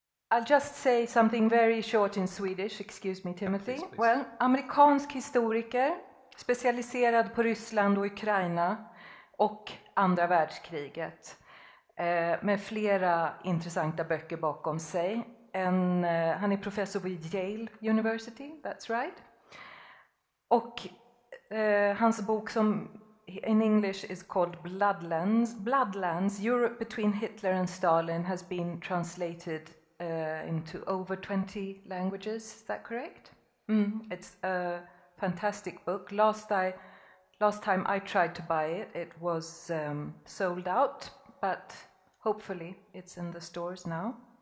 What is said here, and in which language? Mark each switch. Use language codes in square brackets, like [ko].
[en] I'll just say something very short in Swedish, excuse me, Timothy. Please, please. [sv] Well, amerikansk historiker, specialiserad på Ryssland och Ukraina och andra världskriget, med flera intressanta böcker bakom sig. Han är professor vid Yale University, [en] that's right. [sv] Och hans bok som [en] in English is called Bloodlands, Europe between Hitler and Stalin has been translated into over 20 languages, is that correct? Mm. It's a fantastic book. Last time I tried to buy it, it was sold out, but hopefully it's in the stores now.